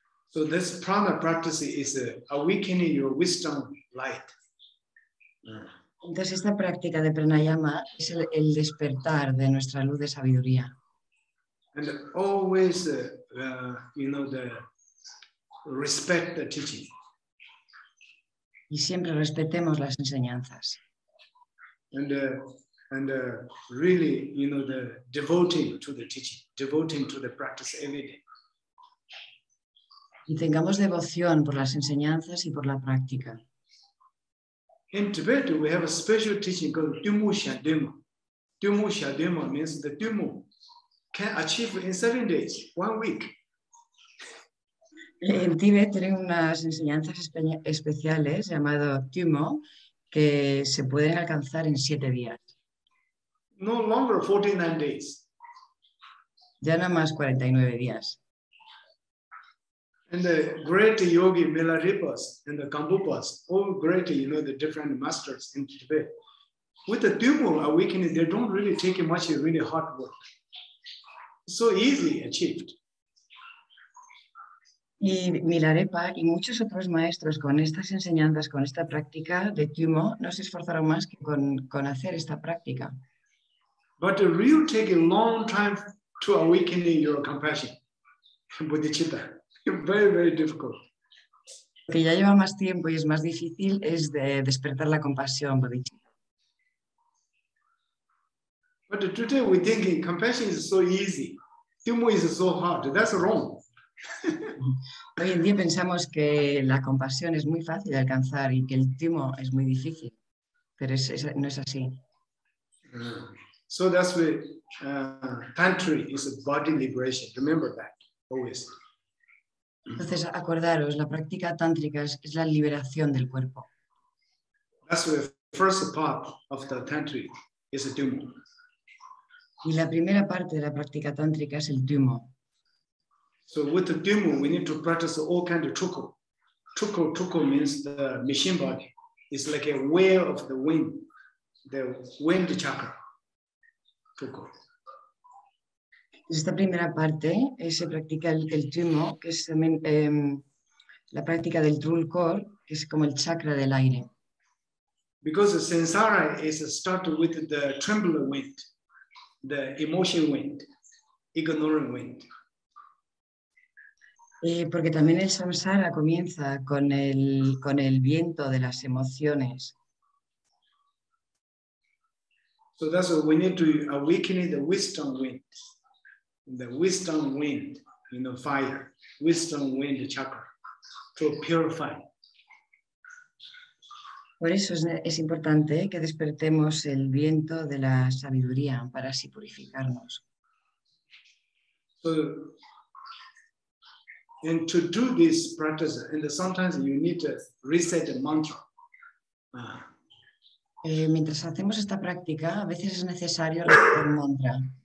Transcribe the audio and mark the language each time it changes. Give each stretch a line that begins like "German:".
English: So this prana practice is awakening your wisdom light.
Spanish: Entonces esta práctica de pranayama es el despertar de nuestra luz de sabiduría.
English: And always, you know, the respect the teaching.
Spanish: Y siempre respetemos las enseñanzas.
English: And really, you know, the devoting to the teaching, devoting to the practice every day.
Spanish: Y tengamos devoción por las enseñanzas y por la práctica.
English: In Tibet, we have a special teaching called Tumushadema. Tumushadema means the Tumu. Can achieve in 7 days, 1 week.
Spanish: En Tíbet tienen unas enseñanzas especiales llamado Tumo que se pueden alcanzar en 7 días.
English: No longer 49 days.
Spanish: Ya no más 49 días.
English: And the great yogi Milarepas and the Kambupas, all great, you know, the different masters in Tibet, with the Tumo awakening, they don't really take much really hard work. So easily achieved.
Spanish: Y Milarepa y muchos otros maestros con estas enseñanzas, con esta práctica de Tumo, no se esforzaron más que con hacer esta práctica.
English: But it really take a long time to awaken your compassion. bodhicitta. Very, very difficult.
Spanish: Lo que ya lleva más tiempo y es más difícil es de despertar la compasión, bodhicitta.
English: But today we think compassion is so easy. Timo is so hard. That's wrong.
Spanish: Hoy en día pensamos que la compasión es muy fácil de alcanzar y que el timo es muy difícil, pero no es así.
English: So that's why tantra is a body liberation. Remember that always.
Spanish: Entonces acordaros, la práctica tántrica es la liberación del cuerpo.
English: That's the first part of the tantra is a timo.
Spanish: Y la primera parte de la práctica tántrica es el timo.
English: So with the timo, we need to practice all kind of tukko. Tukko, tukko means the machine body. It's like a whale of the wind chakra. Tukko.
Spanish: Esta primera parte se practica el timo, que es también la práctica del trulkor, que es como el chakra del aire.
English: Because the sansara is started with the trembling wind, the emotion wind, ignoring wind.
Spanish: Porque también el samsara comienza con el viento de las emociones.
English: So that's what we need to awaken the wisdom wind. The wisdom wind, you know, fire. Wisdom wind chakra. To purify.
Spanish: Por eso es importante que despertemos el viento de la sabiduría para así purificarnos.
English: So, and to do this practice, and sometimes you need to reset the mantra.
Spanish: Mientras hacemos esta práctica, a veces es necesario el mantra.